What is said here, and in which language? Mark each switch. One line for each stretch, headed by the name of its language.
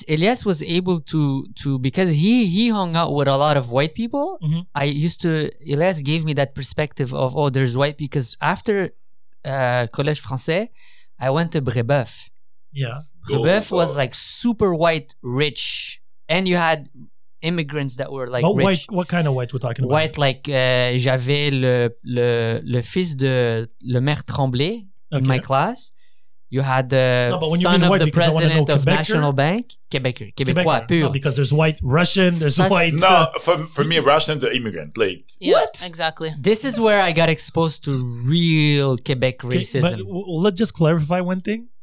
English: Elias was able to because he hung out with a lot of white people, I used to... Elias gave me that perspective of, oh, there's white... Because after Collège Français, I went to Brébeuf. Yeah, Brebeuf was like super white, rich, and you had immigrants that were like rich. White, what kind of white we're talking about? White, like
French: j'avais le fils de le maire Tremblay
English: in my class. You had the son of the president of National Bank,
French: Quebecois pur.
English: No, because there's white Russian, there's white. No, for me, Russians are immigrant. Like what? Exactly. This is where I got exposed to real Quebec racism. But let's just clarify one thing.